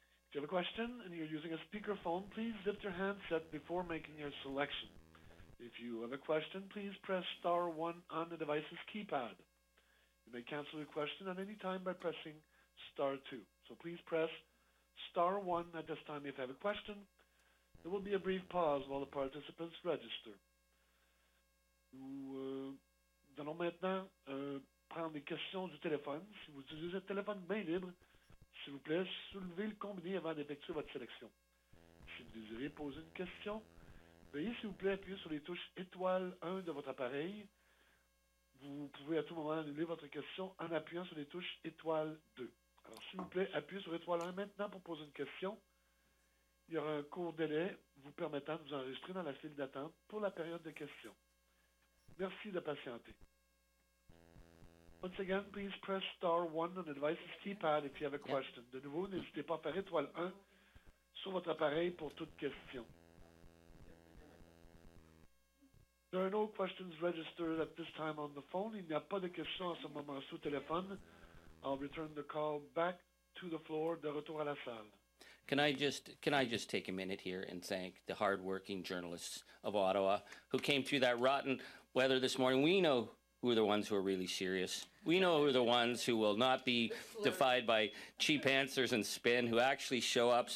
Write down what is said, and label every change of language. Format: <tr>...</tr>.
<en>If you have a question and you're using a speakerphone, please lift your handset before making your selection. If you have a question, please press star 1 on the device's keypad. You may cancel your question at any time by pressing star 2. So please press star 1 at this time if you have a question. There will be a brief pause while the participants register.</en> <fr>Nous allons maintenant prendre des questions du téléphone. Si vous utilisez un téléphone main libre, s'il vous plaît, soulevez le combiné avant d'effectuer votre sélection. Si vous désirez poser une question, veuillez s'il vous plaît appuyer sur les touches étoile 1 de votre appareil. Vous pouvez à tout moment annuler votre question en appuyant sur les touches étoile 2. Alors s'il vous plaît, appuyez sur étoile 1 maintenant pour poser une question. Il y aura un court délai vous permettant de vous enregistrer dans la file d'attente pour la période de questions. Merci de patienter.</fr> <en>Once again, please press star 1 on the device's keypad if you have a question.</en> <fr>De nouveau, n'hésitez pas à faire étoile 1 sur votre appareil pour toute question.</fr> <en>There are no questions registered at this time on the phone.</en> <fr>Il n'y a pas de questions à ce moment sous téléphone.</fr> <en>I'll return the call back to the floor,</en> <fr>de retour à la salle.</fr> <en>Can I just take a minute here and thank the hardworking journalists of Ottawa who came through that rotten weather this morning? We know who are the ones who are really serious. We know who are the ones who will not be defied by cheap answers and spin, who actually show up.</en>